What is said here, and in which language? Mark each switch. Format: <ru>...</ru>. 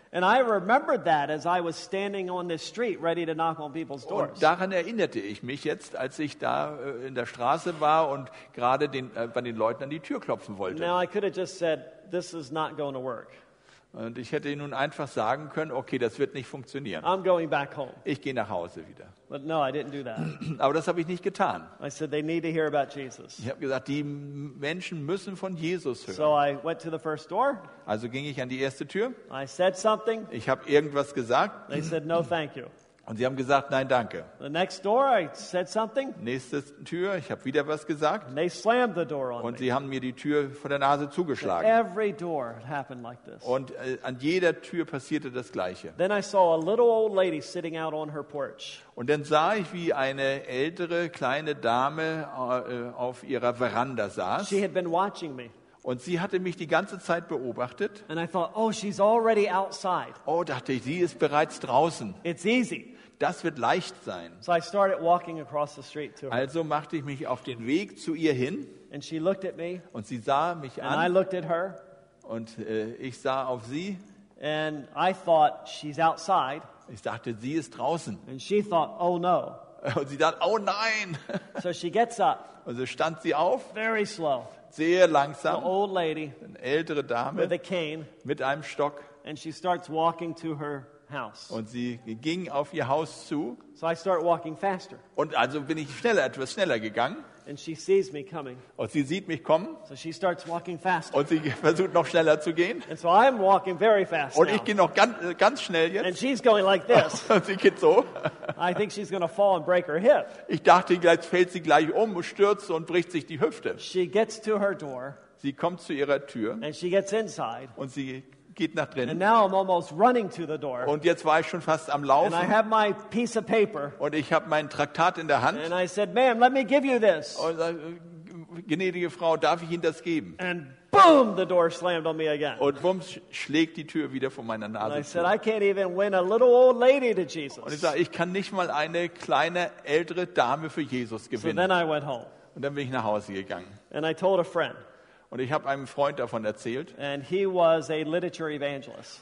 <en>And I remembered that as I was standing on this street ready to knock on people's doors.</en> <de>Und daran erinnerte ich mich jetzt, als ich da in der Straße war und gerade bei den Leuten an die Tür klopfen wollte.</de> <en>Now I could have just said, this is not going to work.</en> <de>Und ich hätte nun einfach sagen können, okay, das wird nicht funktionieren.</de> <en>I'm going back home.</en> <de>Ich gehe nach Hause wieder.</de> <en>But no, I didn't do that.</en> <de>Aber das habe ich nicht getan.</de> <en>I said, they need to hear about Jesus.</en> <de>Ich habe gesagt, die Menschen müssen von Jesus hören.</de> <en>So I went to the first door.</en> <de>Also ging ich an die erste Tür.</de> <en>I said something.</en> <de>Ich habe irgendwas gesagt.</de> <en>They said, no, thank you.</en> <de>Und sie haben gesagt, nein, danke.</de> <en>The next door, I said something.</en> <de>Nächste Tür, ich habe wieder was gesagt.</de> <en>And they slammed the door on</en> <de>und</de> <en>me.</en> <de>Sie haben mir die Tür vor der Nase zugeschlagen.</de> <en>Every door happened like this.</en> <de>Und an jeder Tür passierte das Gleiche.</de> <en>Then I saw a little old lady sitting out on her porch.</en> <de>Und dann sah ich, wie eine ältere, kleine Dame auf ihrer Veranda saß.</de> <en>She had been watching me.</en> <de>Und sie hatte mich die ganze Zeit beobachtet.</de> <en>And I thought, oh, she's already outside.</en> <de>Oh, dachte ich, sie ist bereits draußen.</de> <en>It's easy.</en> <de>Das wird leicht sein.</de> <en>So I started walking across the street to her.</en> <de>Also machte ich mich auf den Weg zu ihr hin.</de> <en>And she looked at me.</en> <de>Und sie sah mich</de> <en>and</en> <de>an.</de> <en>I looked at her.</en> <de>Und ich sah auf sie.</de> <en>And I thought, she's outside.</en> <de>Ich dachte, sie ist draußen.</de> <en>And she thought, oh no.</en> <de>Und sie dachte, oh nein.</de> <en>So she gets up.</en> <de>Und so stand sie auf.</de> <en>Very slow.</en> <de>Sehr langsam.</de> <en>The old lady.</en> <de>Eine ältere Dame.</de> <en>With a cane.</en> <de>Mit einem Stock.</de> <en>And she starts walking to her.</en> <de>Und sie ging auf ihr Haus zu.</de> <en>So I start walking faster.</en> <de>Und also bin ich schneller, etwas schneller gegangen.</de> <en>And she sees me coming.</en> <de>Und sie sieht mich kommen.</de> <en>So she starts walking faster.</en> <de>Und sie versucht noch schneller zu gehen.</de> <en>And so I'm walking very fast.</en> <de>Und ich gehe noch ganz schnell jetzt.</de> <en>And she's going like this.</en> <de>Und sie geht so.</de> <en>I think she's going to fall and break her hip.</en> <de>Ich dachte, jetzt fällt sie gleich um, stürzt und bricht sich die Hüfte.</de> <en>She gets to her door.</en> <de>Sie kommt zu ihrer Tür.</de> <en>And she gets inside.</en> <de>Und sie geht nach drinnen.</de> <en>And now I'm almost running to the door.</en> <de>Und jetzt war ich schon fast am Laufen.</de> <en>And I have my piece of paper.</en> <de>Und ich habe mein Traktat in der Hand.</de> <en>And I said, "Ma'am, let me give you this."</en> <de>Und gnädige Frau, darf ich Ihnen das geben?</de> <en>And boom, the door slammed on me again.</en> <de>Und bums, schlägt die Tür wieder vor meiner Nase.</de> <en>And I said, "I can't even win a little old lady to Jesus."</en> <de>Und ich sage, ich kann nicht mal eine kleine ältere Dame für Jesus gewinnen.</de> <en>So then I went home.</en> <de>Und dann bin ich nach Hause gegangen.</de> <en>And I told a friend.</en> <de>Und ich habe einem Freund davon erzählt.</de> <en>And he was a literature evangelist.</en>